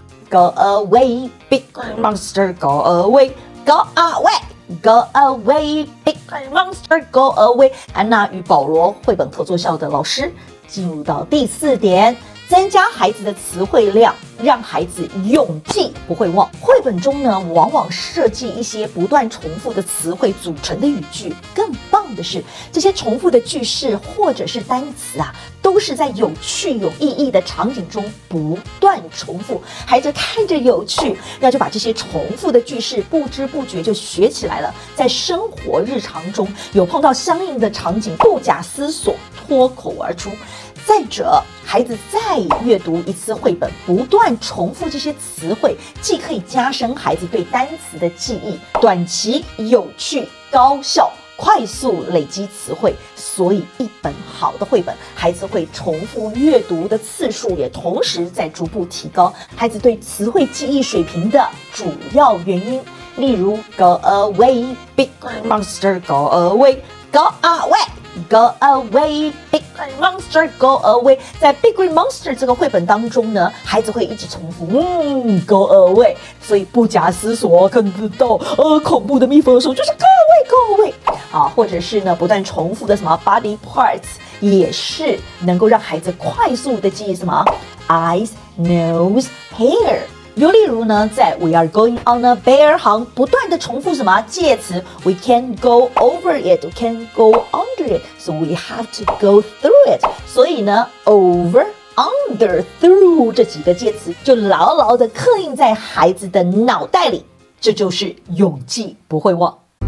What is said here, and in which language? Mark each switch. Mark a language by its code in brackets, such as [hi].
[en] go away, big green monster, go away, go away. Go away, big green monster, go away. [zh] 安娜与保罗绘本合作校的老师进入到第四点，增加孩子的词汇量，让孩子永记不会忘。绘本中呢，往往设计一些不断重复的词汇组成的语句。更棒的是，这些重复的句式或者是单词啊，都是在有趣有意义的场景中不断重复。孩子看着有趣，那就把这些重复的句式不知不觉就学起来了。在生活日常中，有碰到相应的场景，不假思索脱口而出。再者，孩子再阅读一次绘本，不断重复这些词汇，既可以加深孩子对单词的记忆，短期有趣高效，快速累积词汇。所以一本好的绘本，孩子会重复阅读的次数也同时在逐步提高，孩子对词汇记忆水平的主要原因。例如 [en] Go away, big green monster, go away, go awayGo away, big green monster, go away. [zh] 在 Big Green Monster 这个绘本当中呢，孩子会一直重复， [en] go away. [zh] 所以不假思索，看得到，恐怖的蜜蜂的时候就是 [en] go away, go away. [zh] 啊，或者是呢，不断重复的什么 [en] body parts， [zh] 也是能够让孩子快速的记忆什么 [en] eyes, nose, hair. 又例如呢， [zh] 在 [en] We are going on a bear hunt [zh] 不断的重复什么介词 [en] We can't go over it, can't go under it, so we have to go through it. [zh] 所以呢 [en] over, under, through [zh] 这几个介词就牢牢的刻印在孩子的脑袋里，这就是永记不会忘。